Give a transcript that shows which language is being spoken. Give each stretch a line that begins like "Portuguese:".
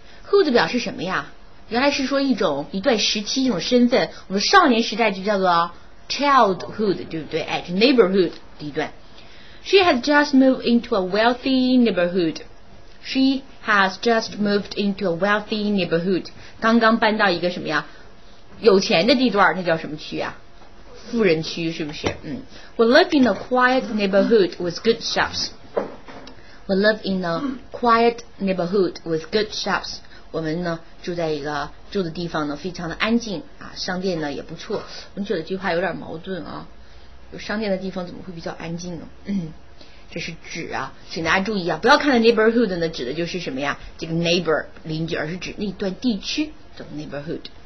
Chinese: Hood 表示什么呀？原来是说一种一段时期一种身份，我们少年时代就叫做 childhood， 对不对？哎，就 neighborhood 第一段。
English: She has just moved into a wealthy neighborhood. She has just moved into a wealthy neighborhood.
Chinese: 刚刚搬到一个什么呀？有钱的地段，那叫什么区啊？富人区是不是？
English: We live in a quiet neighborhood with good shops. We live in a quiet neighborhood with good shops.
Chinese: 我们呢住在一个住的地方呢非常的安静啊，商店呢也不错。我们觉得这句话有点矛盾啊，有商店的地方怎么会比较安静呢？这是指啊，请大家注意啊，不要看的 neighborhood 呢，指的就是什么呀？这个 neighbor 邻居，而是指那段地区的 neighborhood。